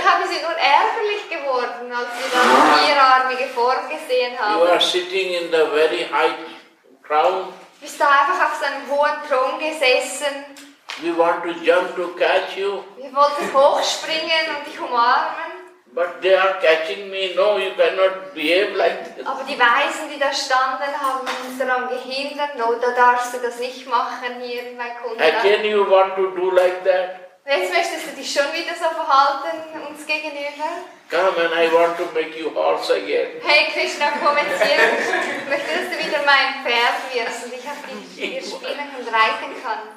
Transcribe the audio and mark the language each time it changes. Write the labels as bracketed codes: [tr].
[de] Wie haben Sie nun ärgerlich geworden, als Sie da vierarmige Form gesehen haben? [en] You are sitting in the very high crown. [de] Bist du einfach auf seinem hohen Thron gesessen? [en] We want to jump to catch you. [de] Wir wollten hochspringen und dich umarmen. [en] But they are catching me. No, you cannot behave like this. [de] Aber die Weisen, die da standen, haben uns daran gehindert. No, da darfst du das nicht machen hier in Vaikuntha. [en] Again you want to do like that? [de] Jetzt möchtest du dich schon wieder so verhalten uns gegenüber? [en] Come and I want to make you horse again. [de] Hey Krishna, komm jetzt hier. Möchtest du wieder mein Pferd wirst und ich auf dich hier spielen und reiten kann?